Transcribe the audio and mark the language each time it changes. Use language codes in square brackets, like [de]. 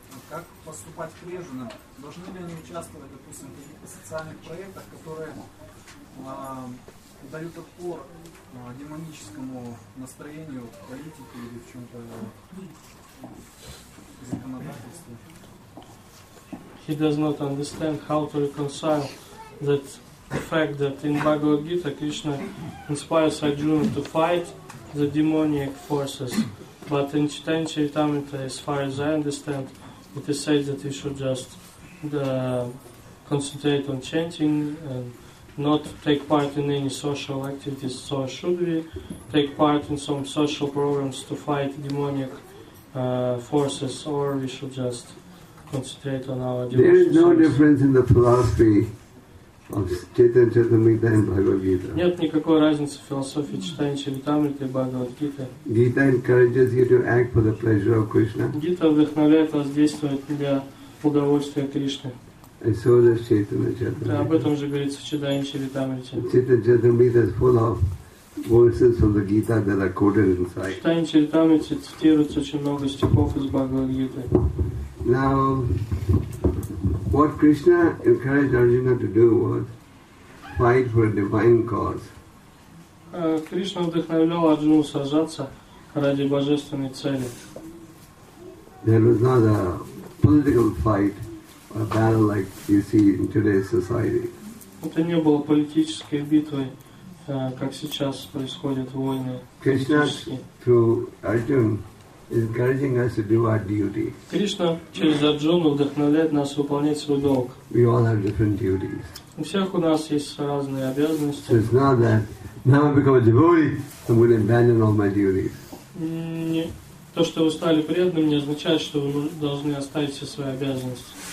[ru] Как поступать преданно? Должны ли они участвовать, допустим, в каких-то социальных проектах, которые дают отпор демоническому настроению, политике или в чем-то законодательстве? [en] He does not understand how to reconcile that the fact that in Bhagavad Gita Krishna inspires Arjuna to fight the demonic forces. But in Chaitanya Charitamrita, as far as I understand, it is said that you should just concentrate on chanting and not take part in any social activities. So should we take part in some social programs to fight demonic forces, or we should just concentrate on our devotional. There is no difference in the philosophy of Chaitanya Charitamrita and Bhagavad Gita. [ru] Нет никакой разницы в философии Чайтанья Чаритамриты и Бхагавад Гита. [en] Gita encourages you to act for the pleasure of Krishna. [ru] Гита вдохновляет вас действовать для удовольствия Кришны. [en] And so does Chaitanya Charitamrita. [ru] Об этом же говорится в Чайтанья Чаритамрите. [en] Chaitanya Charitamrita is full of verses from the Gita that are quoted inside. [ru] Чайтанья Чаритамрите цитируется очень много стихов из Бхагавад Гиты. [en] Now, what Krishna encouraged Arjuna to do was fight for a divine cause. [ru] Krishna вдохновлял Арджуну сражаться ради божественной цели. [en] There was not a political fight or a battle like you see in today's society. [ru] Это не было политической битвой, как сейчас происходят войны. [en] Krishna through Arjuna is encouraging us to do our duty. [ru] Кришна через Арджуну вдохновляет нас выполнять свой долг. [en] We all have different duties. [ru] У всех у нас есть разные обязанности. [en] It's not that now I become a devotee, I'm going to abandon all my duties. [ru] То, что вы стали преданным, не означает, что вы должны оставить все свои обязанности.